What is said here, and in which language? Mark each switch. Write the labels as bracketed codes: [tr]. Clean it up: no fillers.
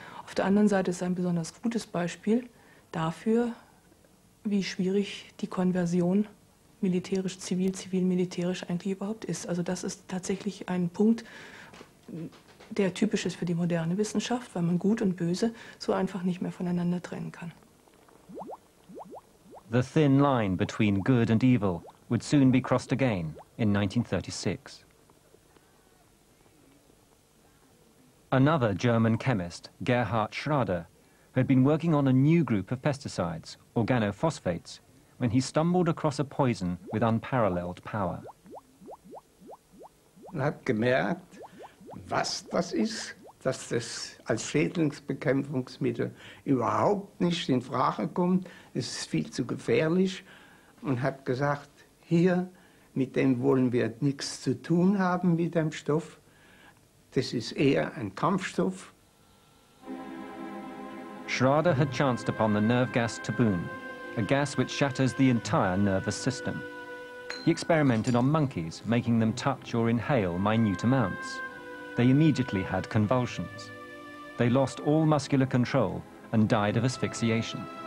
[de] Auf der anderen Seite ist es ein besonders gutes Beispiel dafür, wie schwierig die Konversion militärisch, zivil, zivil-militärisch eigentlich überhaupt ist. Also das ist tatsächlich ein Punkt, der typisch ist für die moderne Wissenschaft, weil man Gut und Böse so einfach nicht mehr voneinander trennen kann. [en] The thin line between good and evil would soon be crossed again in 1936. Another German chemist, Gerhard Schrader, had been working on a new group of pesticides, organophosphates, when he stumbled across a poison with unparalleled power. [de] Und hab gemerkt, was das ist, dass das als Schädlingsbekämpfungsmittel überhaupt nicht in Frage kommt. Es ist viel zu gefährlich. Und habe gesagt, hier, mit dem wollen wir nichts zu tun haben, mit dem Stoff. Das ist eher ein Kampfstoff. [en] Schrader had chanced upon the nerve gas Tabun, a gas which shatters the entire nervous system. He experimented on monkeys, making them touch or inhale minute amounts. They immediately had convulsions. They lost all muscular control and died of asphyxiation.